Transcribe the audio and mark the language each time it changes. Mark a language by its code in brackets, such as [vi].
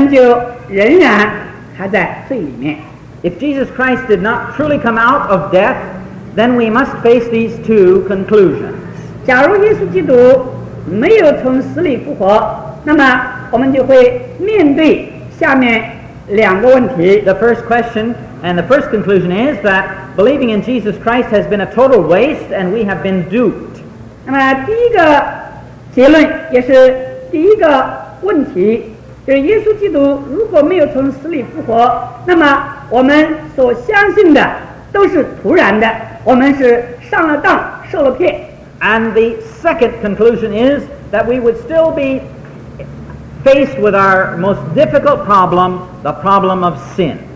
[zh] 神的话告诉我们，耶稣基督如果没有复活，那么我们的信就是徒然的，我们就仍然还在罪里面。 [en] If Jesus Christ did not truly come out of death, then we must face these two conclusions. [zh] 假如耶稣基督没有从死里复活，那么我们就会面对下面两个问题。 [en] The first question and the first conclusion is that believing in Jesus Christ has been a total waste and we have been duped. [zh] 那么第一个结论也是第一个问题，就是耶稣基督如果没有从死里复活，那么我们所相信的都是徒然的。 [en] And the second conclusion is that we would still be faced with our most difficult problem, the problem of sin.